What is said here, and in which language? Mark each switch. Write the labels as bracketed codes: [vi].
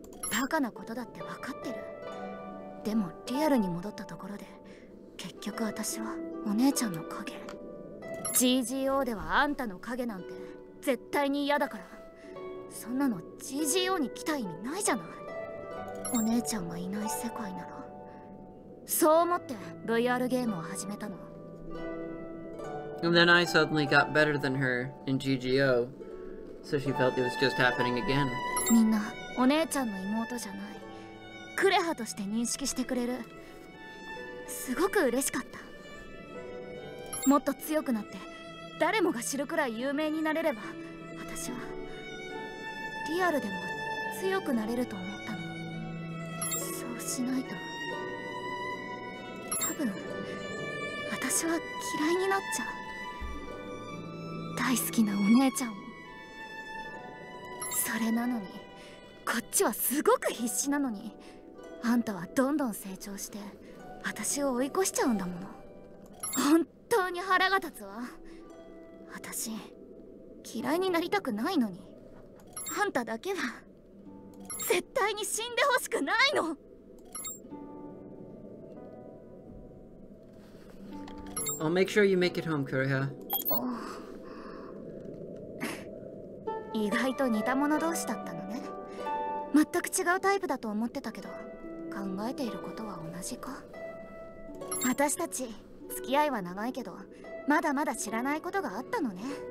[ja] バカなことだって分かってる。でもリアルに戻ったところで、結局私はお姉ちゃんの影。 GGO ではあんたの影なんて絶対に嫌だから。そんなの GGO に来た意味ないじゃない。お姉ちゃんがいない世界なら。そう思って VR ゲームを始めたの。 [en] And then I suddenly got better than her in GGO. So she felt it was just happening again. [ja] みんなお姉ちゃんの妹じゃない。クレハとして認識してくれる。すごく嬉しかった。もっと強くなって、誰もが知るくらい有名になれれば、私はリアルでも強くなれると思ったの。そうしないと、多分私は嫌いになっちゃう。大好きなお姉ちゃんを。それなのに、こっちはすごく必死なのに、あんたはどんどん成長して、私を追い越しちゃうんだもの。本当に腹が立つわ。私、嫌いになりたくないのに、あんただけは、絶対に死んでほしくないの。 [en] I'll make sure you make it home, Kuriha. [ja] 意外と似た者同士だったのね。全く違うタイプだと思ってたけど、考えていることは同じか。私たち付き合いは長いけど、まだまだ知らないことがあったのね。